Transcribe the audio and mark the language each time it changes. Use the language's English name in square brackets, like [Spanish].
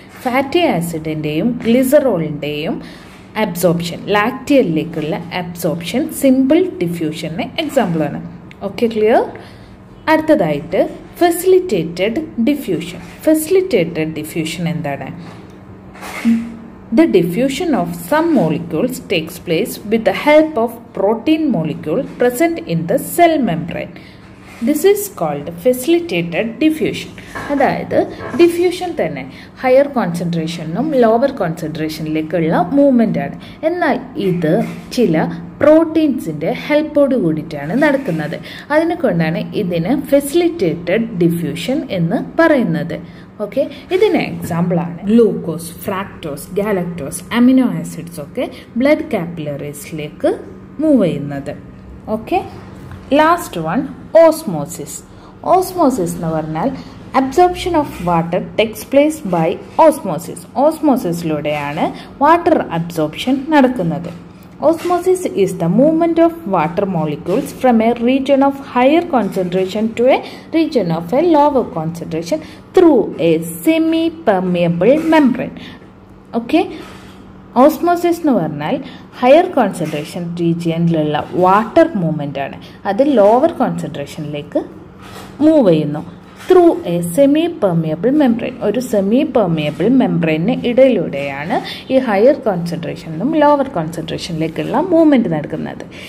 [Malayalam] Fatty ആസിഡിൻ്റെയും ഗ്ലിസറോളിൻ്റെയും absorption, ലാക്ടിയലിലേക്കുള്ള absorption simple ഡിഫ്യൂഷന് എക്സാമ്പിളാണ്. Okay, clear. അടുത്തതായിട്ട് facilitated diffusion. Facilitated diffusion എന്താണ്? [English] The diffusion of some molecules takes place with the help of protein molecule present in the cell membrane. This is called facilitated diffusion. [Malayalam] അതായത് diffusion തന്നെ higher കോൺസെൻട്രേഷനും lower കോൺസെൻട്രേഷനിലേക്കുള്ള മൂവ്മെൻറ്റാണ്. എന്നാൽ ഇത് ചില പ്രോട്ടീൻസിൻ്റെ ഹെൽപ്പോട് കൂടിയിട്ടാണ് നടക്കുന്നത്. അതിനെ കൊണ്ടാണ് ഇതിന് ഫെസിലിറ്റേറ്റഡ് ഡിഫ്യൂഷൻ എന്ന് പറയുന്നത്. ഓക്കെ, ഇതിന് എക്സാമ്പിളാണ് glucose, fructose, galactose, amino acids ഒക്കെ ബ്ലഡ് കാപ്പിലറീസിലേക്ക് മൂവ് ചെയ്യുന്നത്. Okay, last one osmosis. Osmosis എന്ന് പറഞ്ഞാൽ [English] Absorption of water takes place by osmosis. [Malayalam] Osmosis ലൂടെയാണ് water absorption നടക്കുന്നത്. [English] Osmosis is the movement of water molecules from a region of higher concentration to a region of a lower concentration through a semi-permeable membrane. Okay? [Malayalam] Osmosis എന്ന് പറഞ്ഞാൽ higher concentration റീജിയനിലുള്ള water മൂവ്മെൻറ്റാണ്. അത് lower കോൺസെൻട്രേഷനിലേക്ക് move ചെയ്യുന്നു [English] Through a semi permeable membrane. [Malayalam] ഒരു semi permeable membrane ഇടയിലൂടെയാണ് ഈ higher കോൺസെൻട്രേഷനിലും lower കോൺസെൻട്രേഷനിലേക്കുള്ള movement നടക്കുന്നത്.